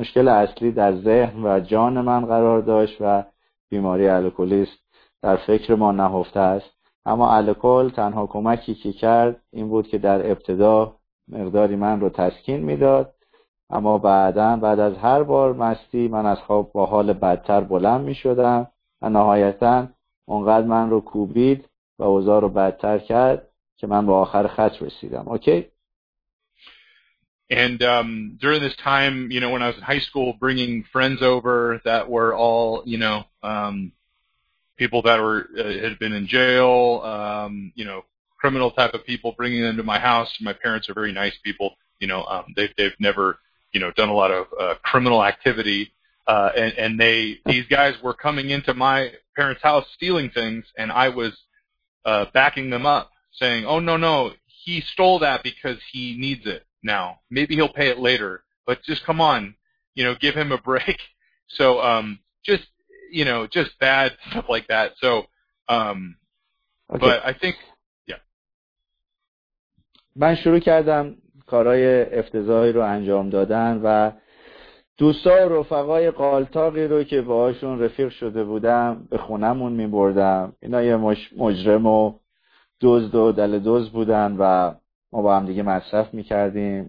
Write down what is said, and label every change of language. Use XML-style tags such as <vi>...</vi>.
<fa>مشکل اصلی در ذهن و جان من قرار داشت و بیماری الکلیسم در فکر ما نهفته است، اما الکل تنها کمکی که کرد این بود که در ابتدا مقداری من رو تسکین میداد، اما بعد از هر بار مستی من از خواب با حال بدتر بلند میشدم و نهایتاً اونقدر من رو کوبید و اوضاع رو بدتر کرد که من به آخر خط رسیدم.</fa> <en>Okay? And during this time, you know, when I was in high school, bringing friends over that were all, you know, people that were had been in jail, you know, criminal type of people, bringing them to my house. My parents are very nice people, you know, they've never, you know, done a lot of criminal activity, and these guys were coming into my parents' house stealing things, and I was backing them up, saying, "Oh no, he stole that because he needs it now. Maybe he'll pay it later, but just come on, you know, give him a break. So, just, you know, just bad stuff like that. So, okay. But I think, yeah.</en> <fa>من شروع کردم کارهای افتضاحی رو انجام دادن و دوستا و رفقای قالتاقی رو که باهاشون رفیق شده بودم به خونمون می بردم. اینا یه مجرم و دزد و دل دزد بودن و ما با هم دیگه مصرف می کردیم.</fa>